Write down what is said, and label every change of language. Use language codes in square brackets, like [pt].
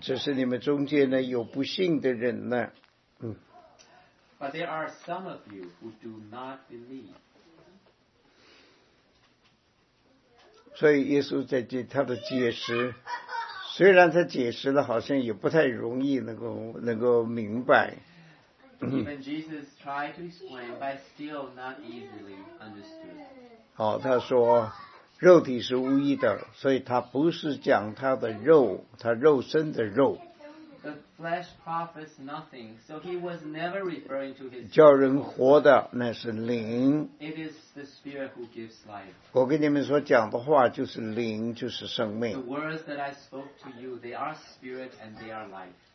[zh] 只是你们中间呢有不信的人呢、嗯。 [en] But there are some of you who do not believe. [zh] 所以耶稣在这他的解释，虽然他解释了，好像也不太容易能够明白。 [en] Even Jesus tried to explain, but still not easily understood. [zh] 好、哦，他说，肉体是无益的，所以他不是讲他的肉，他肉身的肉。 [en] The flesh profits nothing, so he was never referring to his. [zh] 叫人活的乃是灵。 [en] It is the spirit who gives life. [zh] 我跟你们所讲的话就是灵，就是生命。 [en] The words that I spoke to you, they are spirit and they are life.